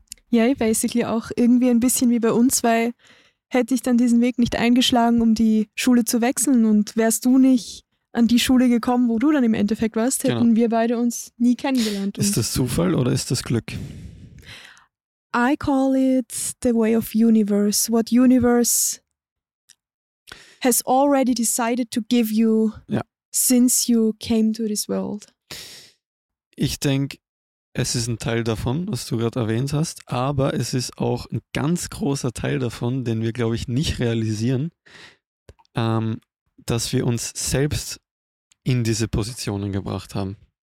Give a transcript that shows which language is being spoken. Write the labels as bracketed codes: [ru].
[de] Ja, yeah, basically auch irgendwie ein bisschen wie bei uns, weil hätte ich dann diesen Weg nicht eingeschlagen, um die Schule zu wechseln und wärst du nicht an die Schule gekommen, wo du dann im Endeffekt warst, hätten genau. Wir beide uns nie kennengelernt. Ist das Zufall oder ist das Glück? [en] I call it the way of universe. What universe has already decided to give you since you came to this world. [de] Ich denke, es ist ein Teil davon, was du gerade erwähnt hast, aber es ist auch ein ganz großer Teil davon, den wir, glaube ich, nicht realisieren, dass wir uns selbst in diese Positionen gebracht haben.